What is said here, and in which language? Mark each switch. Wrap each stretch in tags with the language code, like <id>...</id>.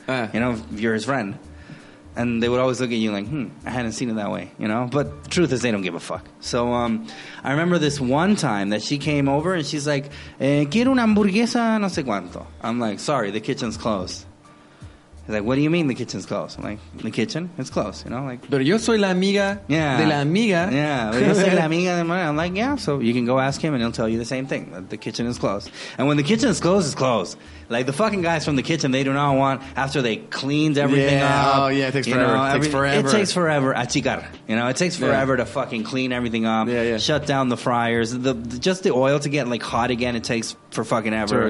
<en>You know, if you're his friend. And they would always look at you like, I hadn't seen it that way, you know? But the truth is they don't give a fuck. So I remember this one time that she came over and she's like,</en> <es>quiero una hamburguesa no sé cuánto.</es> <en>I'm like, sorry, the kitchen's closed. He's like, what do you mean the kitchen's closed? I'm like, the kitchen? It's closed, you know? Like,</en> <es>pero yo soy la amiga de la amiga. Yeah, pero yo soy la amiga de mi.</es> <en>I'm like, yeah, so you can go ask him and he'll tell you the same thing, that the kitchen is closed. And when the kitchen is closed, it's closed. Like, the fucking guys from the kitchen, they do not want, after they cleaned everything up. Oh, yeah, it takes forever. It takes forever. Achicar. You know, it takes forever to fucking clean everything up. Yeah, yeah. Shut down the fryers. Just the oil to get, like, hot again, it takes for fucking ever.</en>